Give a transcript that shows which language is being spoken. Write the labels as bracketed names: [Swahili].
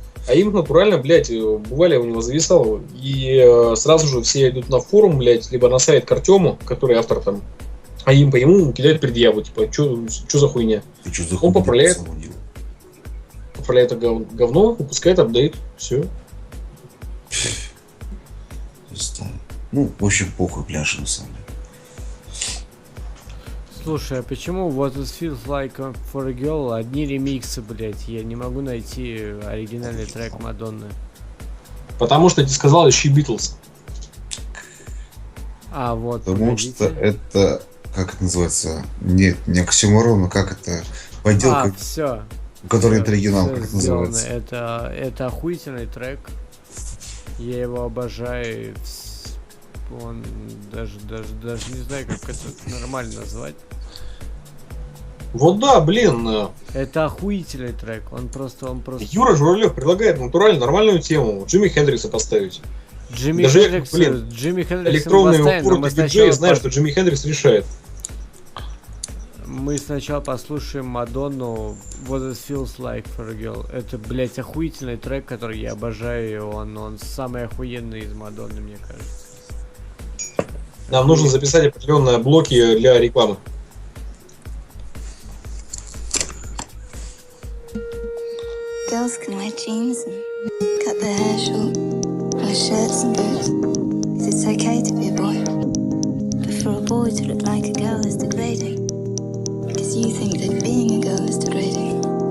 [Russian] А им натурально, блядь, бывали у него зависало. И сразу же все идут на форум, блядь, либо на сайт к Артему, который автор там. А им по ему кидают предъяву, типа, что за хуйня? Ты что за хуйня? Он поправляет. Поправляет это говно, выпускает апдейт, все. Ну, в общем, похуй пляшем сам. Слушай, а почему What It Feels Like For A Girl одни ремиксы, блять? Я не могу найти оригинальный трек Мадонны. Потому что ты сказал еще Beatles. А, вот. Потому видите? Что это, как это называется? Нет, не оксюморон, а как это? Поделка, а, все. Который это оригинал, как это называется? Это охуительный трек. Я его обожаю. Он даже не знаю, как это нормально назвать. Вот да, блин. Это охуительный трек. Он просто. Юра Журавлев предлагает натурально нормальную тему. Джимми Хендрикса поставить. Джимми Хендрикс, блин. Джимми Хендрикс. Электронные упорки диджея знают, что Джимми Хендрикс решает. Мы сначала послушаем Мадонну What It Feels Like For A Girl. Это, блять, охуительный трек, который я обожаю. Он самый охуенный из Мадонны, мне кажется. Нам нужно записать определенные блоки для рекламы. [English] Girls can wear jeans and cut their hair short, wear shirts and boots, 'cause it's okay to be a boy. But for a boy to look like a girl is degrading, 'cause you think that being a girl is degrading.